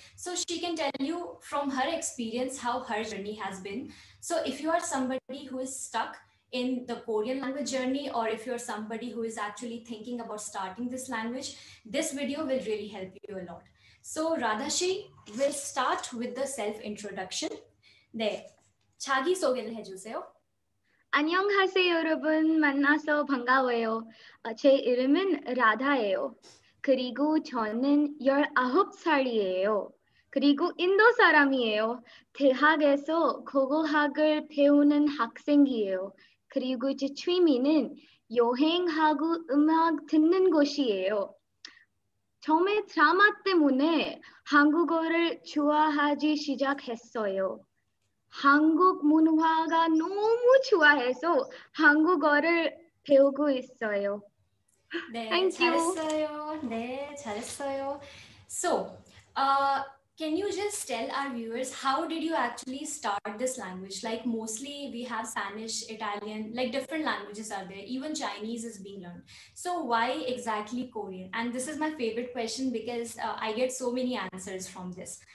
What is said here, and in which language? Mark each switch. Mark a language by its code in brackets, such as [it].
[en] So she can tell you from her experience how her journey has been. So if you are somebody who is stuck in the Korean language journey, or if you're somebody who is actually thinking about starting this language, this video will really help you a lot. So Radhashi, we'll start with the self-introduction. [ko] 네, 자기 소개를 해주세요. 안녕하세요, 여러분. 만나서 반가워요. 제 이름은 라다예요. 그리고 저는 19살이에요. 그리고 인도 사람이에요. 대학에서 국어학을 배우는 학생이에요. 그리고 제 취미는 여행하고 음악 듣는 곳이에요. 처음에 드라마 때문에 한국어를 좋아하기 시작했어요. 한국 문화가 너무 좋아해서 한국어를 배우고 있어요. 네, [en] Thank [ko] 잘했어요. [en] You. [ko] 네, 잘했어요. [en] So, can you just tell our viewers, how did you actually start this language? Like mostly we have Spanish, Italian, like different languages are there. Even Chinese is being learned. So why exactly Korean? And this is my favorite question because I get so many answers from this.